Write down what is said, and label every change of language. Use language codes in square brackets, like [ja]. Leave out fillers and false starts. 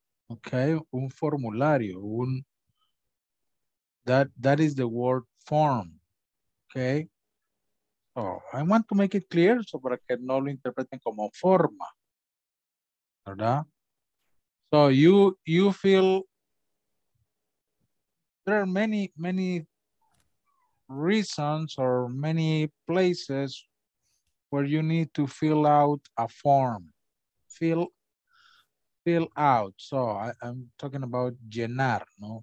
[en] Okay, [es] un formulario, un, [en] that is the word form, okay? Oh, I want to make it clear so [es] para que no lo interpreten como forma, ¿verdad? [en] So you feel there are many, many reasons or many places where you need to fill out a form. Fill out. So I'm talking about llenar, no?